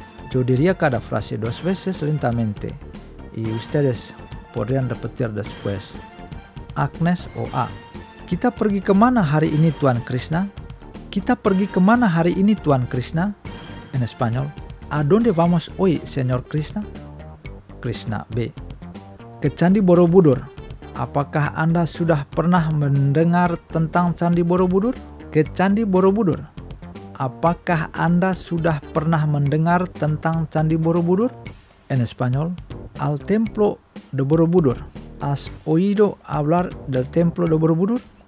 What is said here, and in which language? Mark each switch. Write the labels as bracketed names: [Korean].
[Spanish] Yo diría cada frase dos veces lentamente y ustedes podrían repetir después. [Indonesian] Agnes OA. ¿Kita pergi kemana hari ini, Tuan Krishna? ¿Kita pergi kemana hari ini, Tuan Krishna? [Spanish] En español. ¿A dónde vamos hoy, señor Krishna? [Indonesian] Krishna B. Ke Candi Borobudur. Apakah Anda sudah pernah mendengar tentang Candi Borobudur? Ke Candi Borobudur. Apakah Anda sudah pernah mendengar tentang Candi Borobudur? [Spanish] En español, al Templo de Borobudur. ¿Has oído hablar del Templo de Borobudur?